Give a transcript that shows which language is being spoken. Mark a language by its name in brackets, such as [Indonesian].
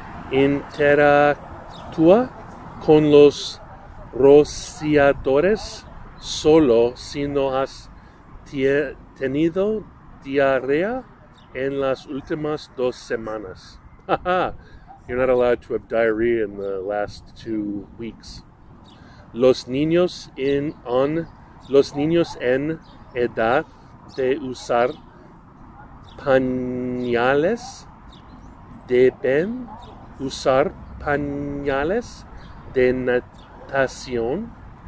[Spanish] interactúa con los rociadores solo si no has tenido diarrea en las últimas 2 semanas. [English] You're not allowed to have diarrhea in the last 2 weeks. [Spanish] Los niños en edad de usar pañales deben usar pañales de natación.